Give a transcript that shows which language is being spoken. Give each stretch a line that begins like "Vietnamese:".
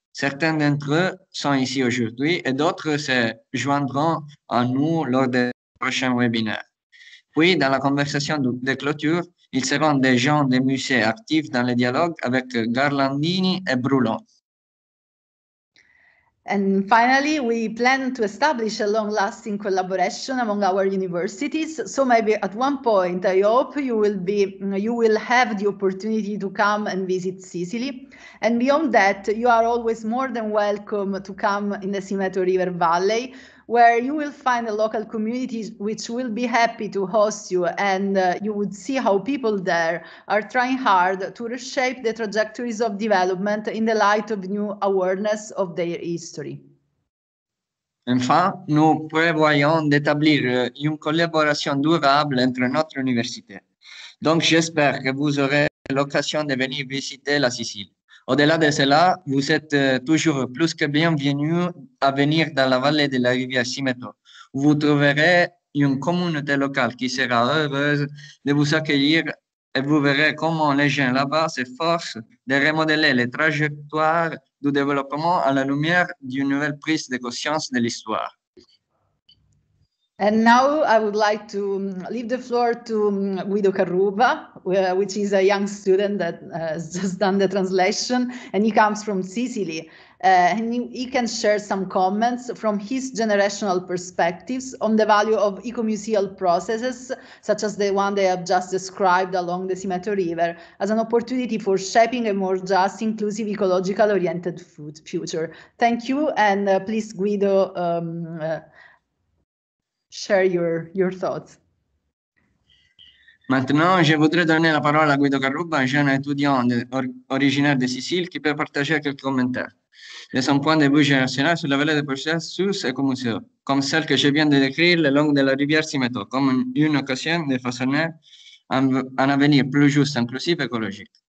French: Certains d'entre eux sont ici aujourd'hui et d'autres se joindront à nous lors des prochains webinaires. Puis, dans la conversation de clôture, ils seront des gens des musées actifs dans le dialogue avec Garlandini et Brulon.
English: And finally, we plan to establish a long-lasting collaboration among our universities. So maybe at one point, I hope you will have the opportunity to come and visit Sicily. And beyond that, you are always more than welcome to come in the Simeto River Valley, where you will find a local community which will be happy to host you, and you would see how people there are trying hard to reshape the trajectories of development in the light of new awareness of their history.
French: Enfin, nous prévoyons d'établir une collaboration durable entre notre université. Donc j'espère que vous aurez l'occasion de venir visiter la Sicile. Au-delà de cela, vous êtes toujours plus que bienvenue à venir dans la vallée de la rivière Simeto. Vous trouverez une communauté locale qui sera heureuse de vous accueillir et vous verrez comment les gens là-bas s'efforcent de remodeler les trajectoires du développement à la lumière d'une nouvelle prise de conscience de l'histoire.
English: And now I would like to leave the floor to Guido Carruba, which is a young student that has just done the translation, and he comes from Sicily. And he can share some comments from his generational perspectives on the value of ecomuseal processes, such as the one they have just described along the Simeto River, as an opportunity for shaping a more just, inclusive, ecological-oriented food future. Thank you, and please, Guido, share your thoughts.
French: Maintenant, je voudrais donner la parole à Guido Carruba, jeune étudiant originaire de Sicile, qui peut partager quelques commentaires. Et son point de vue générationnel sur la vallée des processus écomuséaux, comme celle que je viens de décrire le long de la rivière Simeto, comme une occasion de façonner un avenir plus juste, inclusif et écologique.